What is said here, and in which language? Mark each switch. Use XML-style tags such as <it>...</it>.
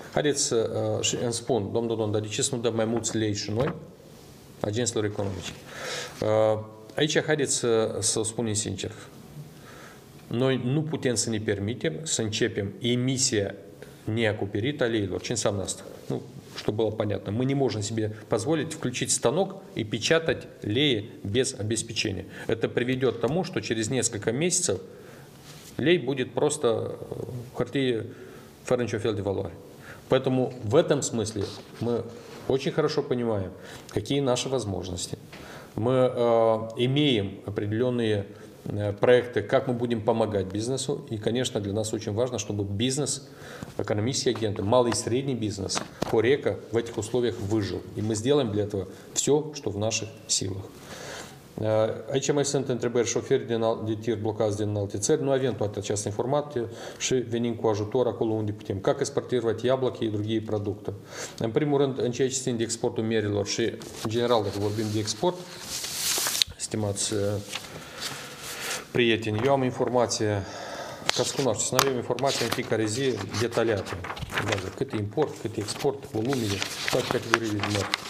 <ro>Haideți să îmi spun, domnul, dar de ce să nu dăm mai mulți lei și noi, agenților economici? Aici haideți să spunem sincer. Noi nu putem să ne permitem să începem emisia neacoperită a leilor. Ce înseamnă asta?</ro> <ru>Ну, чтобы было понятно, мы не можем себе позволить включить станок и печатать леи без обеспечения. Это приведет к тому, что через несколько месяцев лей будет просто хартия Ференчофельди Валуа. Поэтому в этом смысле мы очень хорошо понимаем, какие наши возможности. Мы имеем определенные проекты, как мы будем помогать бизнесу. И, конечно, для нас очень важно, чтобы бизнес, экономические агенты, малый и средний бизнес, Хорека в этих условиях выжил. И мы сделаем для этого все, что в наших силах.</ru> <ro>HMS întrebări, șoferi de tir blocați din alte țări, nu avem toate această informație și venim cu ajutor acolo unde putem.</ro> <ru>Как экспортировать яблоки и другие продукты?</ru> <ro>În primul rând, în ceea ce țin de exportul merilor și, în general, dacă vorbim de export, stimați prieteni, eu am informație, ca să cunoașteți, noi avem informație în fiecare zi detaliată. Deci, cât e import, cât e export, volumele, toate categoriile de mări.</ro>